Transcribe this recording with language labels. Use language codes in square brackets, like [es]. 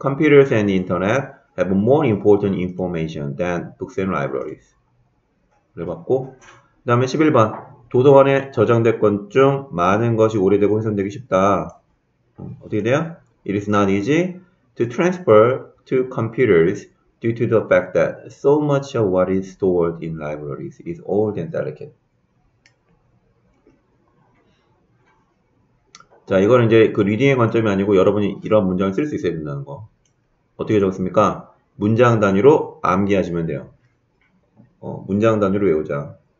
[en] computers and the internet have more important information than books and libraries. [ko] 를 받고, 그 다음에 11번. 도서관에 저장될 것 중 많은 것이 오래되고 훼손되기 쉽다. 어떻게 돼요? [en] It is not easy to transfer to computers due to the fact that so much of what is stored in libraries is old and delicate. [ko] 자, 이거는 이제 그 리딩의 관점이 아니고 여러분이 이런 문장을 쓸 수 있어야 된다는 거. 어떻게 적습니까? 문장 단위로 암기하시면 돼요. 문장 단위로 외우자.